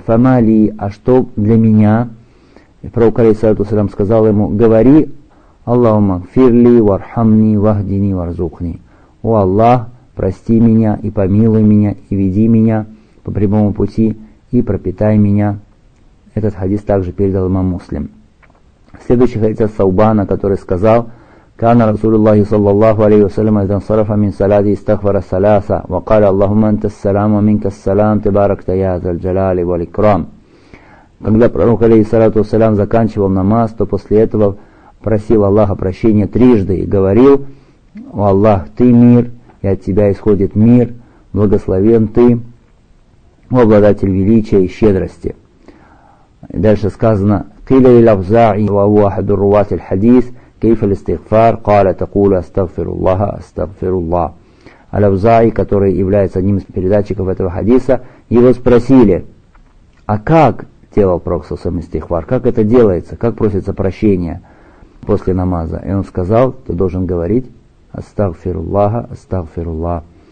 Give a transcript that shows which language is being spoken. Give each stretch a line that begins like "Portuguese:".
Russian: «Фамали» – а что для меня? И пророк, алейхиссалату вассалям, сказал ему: говори:
Arabic: «Аллахумма фирли вархамни вахдини варзухни»
Russian: – «О Аллах, прости меня и помилуй меня, и веди меня по прямому пути, и пропитай меня». Этот хадис также передал имам Муслим. Следующий хадис от Саубана, который сказал:
Arabic: كان رسول الله صلى الله عليه وسلم إذا انصرف من صلاته استغفر ثلاثة وقال اللهم أنت السلام ومنك السلام تبارك يا ذا الجلال والإكرام.
Russian: Когда пророк алейхиссалату вассалям заканчивал намаз, то после этого просил Аллаха прощения трижды и говорил: «О Аллах, ты мир, и от тебя исходит мир, благословен ты, о обладатель величия и щедрости». Дальше сказано:
Arabic: «Киля иляфзаи ва ахаду руват аль-хадис». كيف الاستغفار؟ قال تقول استغفر الله استغفر الله.
Russian: Аль-Авзаи, который является одним из передатчиков этого хадиса, его спросили: а как делал пророк сам истихфар? Как это делается? Как просится прощение после намаза? И он сказал: ты должен говорить
Arabic: استغفر الله استغفر الله.